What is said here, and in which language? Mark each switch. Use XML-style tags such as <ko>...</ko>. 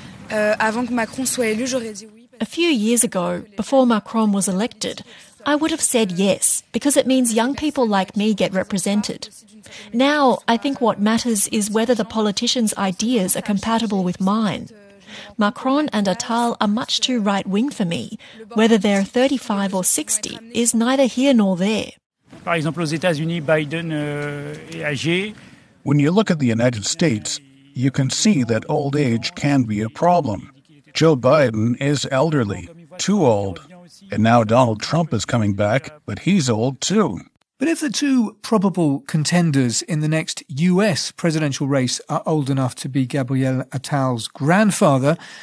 <en>A few years ago, before Macron was elected, I would have said yes, because it means young people like me get represented. Now, I think what matters is whether the politicians' ideas are compatible with mine. Macron and Attal are much too right-wing for me. Whether they're 35 or 60 is neither here nor there.</en> <fr>Par exemple, aux États-Unis, Biden est âgé.</fr> <en>When you look at the United States, you can see that old age can be a problem. Joe Biden is elderly, too old. And now Donald Trump is coming back, but he's old too. But if the two probable contenders in the next US presidential race are old enough to be Gabriel Attal's grandfather,</en>